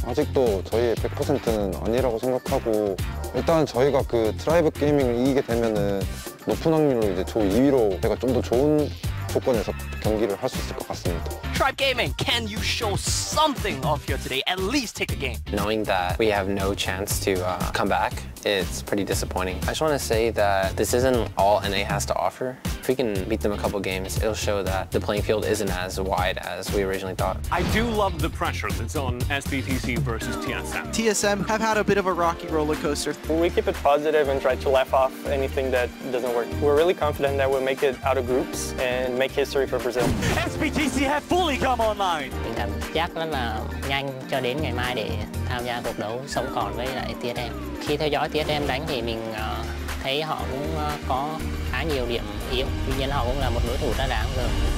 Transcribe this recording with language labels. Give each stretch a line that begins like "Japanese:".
Korean: 아직도 저희의 100%는 아니라고 생각하고 일단 저희가 그 트라이브 게이밍을 이기게 되면은 높은 확률로 이제 조 2위로 제가 좀 더 좋은 조건에서 경기를 할 수 있을 것 같습니다.
English: Tribe Gaming, can you show something off here today? At least take a game. Knowing that we have no chance to come back, it's pretty disappointing. I just want to say that this isn't all NA has to offer. If we can beat them a couple games, it'll show that the playing field isn't as wide as we originally thought. I do love the pressure that's on SBPC versus TSM. TSM have had a bit of a rocky roller coaster. We keep it positive and try to laugh off anything that doesn't work. We're really confident that we'll make it out of groups and make history for Brazil. SBTC have fully come online.
Vietnamese: Mình cảm giác rất là nhanh cho đến ngày mai để tham gia cuộc đấu sống còn với lại TSM. Khi theo dõi TSM đánh thì mình thấy họ cũng có khá nhiều điểm yếu. Tuy nhiên họ cũng là một đối thủ rất đáng rồi.